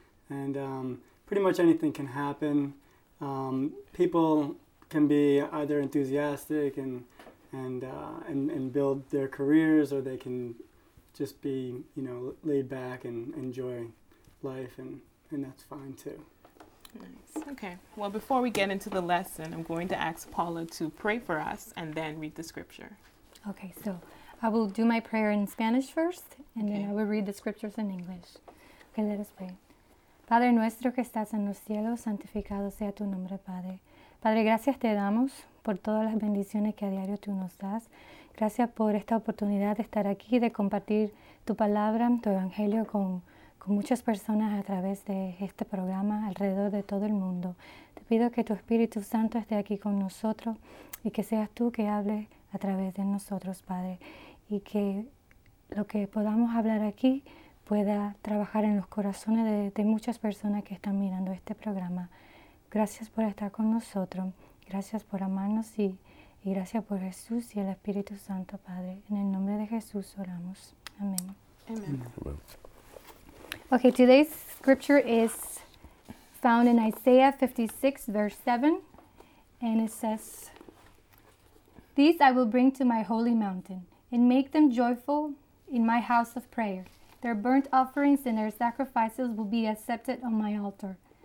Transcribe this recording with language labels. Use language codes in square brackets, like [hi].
[en] And pretty much anything can happen. People can be either enthusiastic and build their careers, or they can just be, you know, laid back and enjoy life, and that's fine too. Nice. Okay. Well, before we get into the lesson, I'm going to ask Paula to pray for us and then read the scripture. Okay. So I will do my prayer in Spanish first, and then I will read the scriptures in English. Okay. Let us pray. [es] Padre nuestro que estás en los cielos, santificado sea tu nombre, Padre. Padre, gracias te damos por todas las bendiciones que a diario tú nos das. Gracias por esta oportunidad de estar aquí, de compartir tu palabra, tu evangelio con muchas personas a través de este programa alrededor de todo el mundo. Te pido que tu Espíritu Santo esté aquí con nosotros y que seas tú que hable a través de nosotros, Padre. Y que lo que podamos hablar aquí pueda trabajar en los corazones de muchas personas que están mirando este programa. Gracias por estar con nosotros. Gracias por amarnos y gracias por Jesús y el Espíritu Santo, Padre. En el nombre de Jesús oramos. Amén. [en] Amen. Okay, today's scripture is found in Isaiah 56, verse 7. And it says, "These I will bring to my holy mountain and make them joyful in my house of prayer. Their burnt offerings and their sacrifices will be accepted on my altar.